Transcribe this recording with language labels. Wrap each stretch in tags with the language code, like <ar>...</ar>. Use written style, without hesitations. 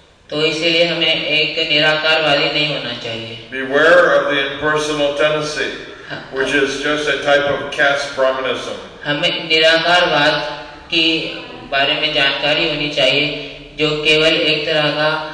<hi>तो इसीलिए हमें एक निराकारवादी नहीं होना चाहिए।</hi> <en>Beware of the impersonal tendency, which is just a type of caste Brahmanism.</en> <hi>हमें निराकारवाद की बारे में जानकारी होनी चाहिए जो केवल एक तरह का</hi>